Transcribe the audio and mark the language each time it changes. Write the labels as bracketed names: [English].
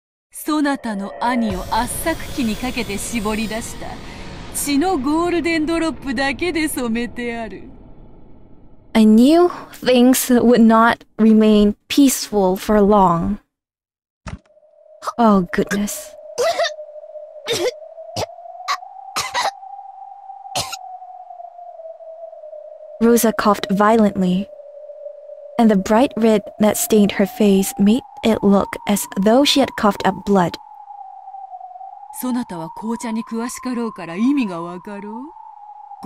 [Japanese] そなたの兄を圧搾機にかけて絞り出した 血のゴールデンドロップだけで染めてある。 [English] I knew things would not remain peaceful for long. Oh, goodness. Rosa coughed violently, and the bright red that stained her face made it look as though she had coughed up blood. [Japanese] そなたは紅茶に詳しかろうから意味がわかろう?